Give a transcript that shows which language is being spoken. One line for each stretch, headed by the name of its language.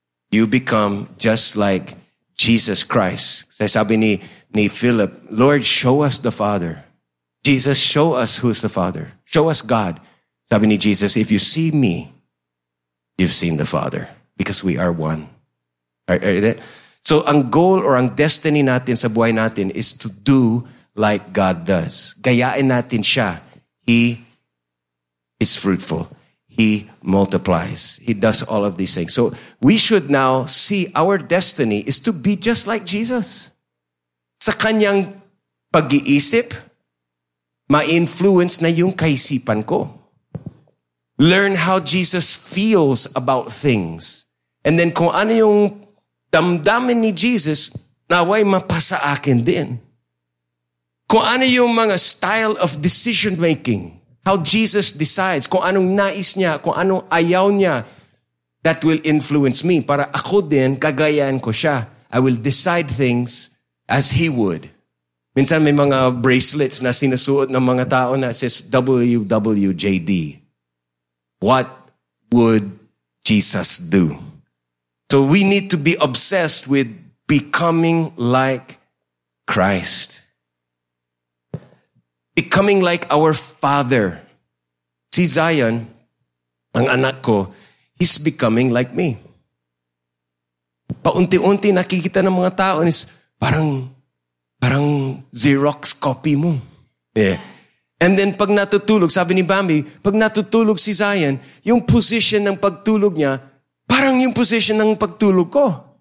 English: You become just like Jesus Christ.
Filipino: Sabi ni
English: Philip, Lord, show us the Father. Jesus, show us who's the Father. Show us God.
Filipino: Sabi ni
English: Jesus, if you see me, you've seen the Father. Because we are one. Right? So ang goal or ang destiny
Filipino: natin sa buhay natin
English: is to do like God does.
Filipino: Gayain natin siya.
English: He is fruitful. He multiplies. He does all of these things. So we should now see our destiny is to be just like Jesus.
Filipino: Sa kanyang pag-iisip, ma-influence na yung kaisipan ko.
English: Learn how Jesus feels about things. And then
Filipino: kung ano yung damdamin ni Jesus, naway mapasa akin din. Kung ano yung mga
English: style of decision making, how Jesus decides,
Filipino: kung anong nais niya, kung anong ayaw niya,
English: that will influence me.
Filipino: Para ako din, kagayaan ko siya.
English: I will decide things as He would.
Filipino: Minsan may mga bracelets na sinusuot ng mga tao na says WWJD.
English: What would Jesus do? So we need to be obsessed with becoming like Christ. Becoming like our Father. Si Zion,
Filipino: ang anak ko,
English: he's becoming like me.
Filipino: Paunti-unti nakikita ng mga tao is parang Xerox copy mo. Yeah. And then pag natutulog, sabi ni Bambi, pag natutulog si Zion, yung position ng pagtulog niya, parang yung position ng pagtulog ko.